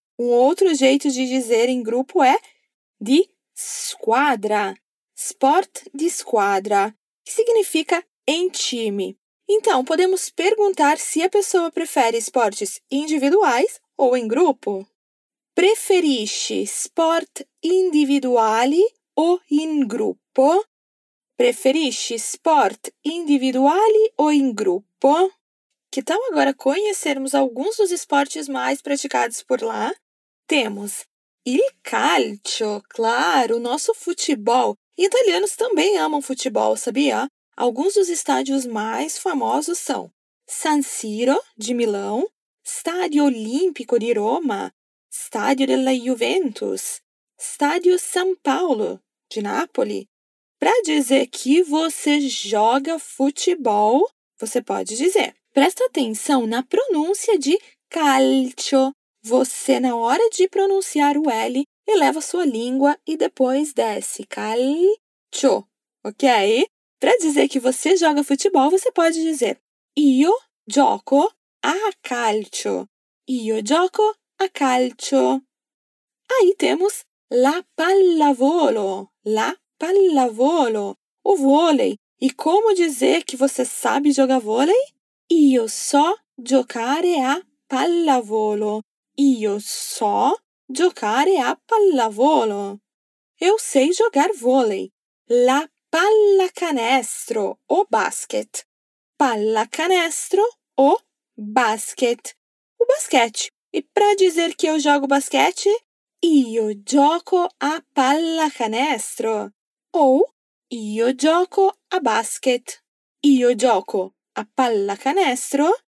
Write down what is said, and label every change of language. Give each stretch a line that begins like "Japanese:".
Portuguese: Um outro jeito de dizer em grupo é di squadra,
Italian: sport di squadra,
Portuguese: que significa em time. Então, podemos perguntar se a pessoa prefere esportes individuais ou em grupo.
Italian: Preferisci sport individuali o in gruppo? Preferisci sport individuali o in gruppo?
Portuguese: Que tal agora conhecermos alguns dos esportes mais praticados por lá? Temos il calcio, claro, o nosso futebol. Italianos também amam futebol, sabia? Alguns dos estádios mais famosos são San Siro, de Milão, Stadio Olimpico di Roma, Stadio della Juventus, Stadio San Paolo, de Napoli. Para dizer que você joga futebol, você pode dizer: presta atenção na pronúncia de calcio. Você, na hora de pronunciar o L, eleva sua língua e depois desce. Calcio, ok? Para dizer que você joga futebol, você pode dizer:
Italian: io gioco a calcio. Io gioco a calcio.
Portuguese: Aí temos
Italian: la pallavolo.
Portuguese: La pallavolo, o vôlei. E como dizer que você sabe jogar vôlei?
Italian: Io so giocare a pallavolo. Io so giocare a pallavolo.
Portuguese: Eu sei jogar vôlei. La pallacanestro, o basket. Pallacanestro, o basket. O basquete. E para dizer que eu jogo basquete?
Italian: Io gioco a pallacanestro. Ou io gioco a basket. Io gioco a pallacanestro.